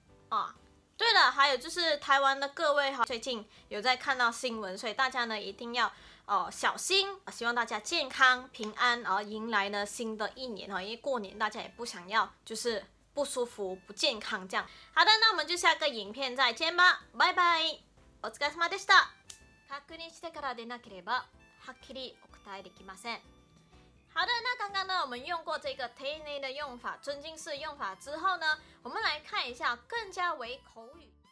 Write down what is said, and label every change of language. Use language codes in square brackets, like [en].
[zh] 哦，对了，还有就是台湾的各位哈，最近有在看到新闻，所以大家呢一定要小心，希望大家健康平安，然后迎来呢新的一年哈，因为过年大家也不想要就是不舒服不健康这样。好的，那我们就下个影片再见吧，拜拜。 [ja] お疲れ様でした。確認してから出なければはっきりお答えできません。 [zh] 好的，那刚刚呢我们用过这个丁丁的用法，尊敬式用法之后呢，我们来看一下更加为口语。